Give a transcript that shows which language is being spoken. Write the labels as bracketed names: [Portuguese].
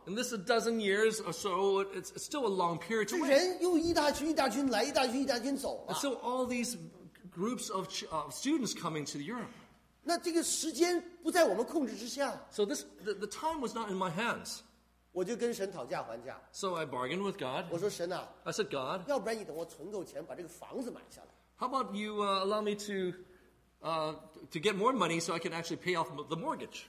[English] And this a dozen years or so, it's still a long period to wait. [Chinese] 人又一大群一大群来，一大群一大群走啊。 [English] So all these groups of students coming to Europe. [Chinese] 那这个时间不在我们控制之下。 [English] So this the time was not in my hands. [Chinese] 我就跟神讨价还价。 [English] So I bargained with God. [Chinese] 我说神啊。 [English] I said, God. [Chinese] 要不然你等我存够钱把这个房子买下来。 [English] How about you allow me to get more money so I can actually pay off the mortgage?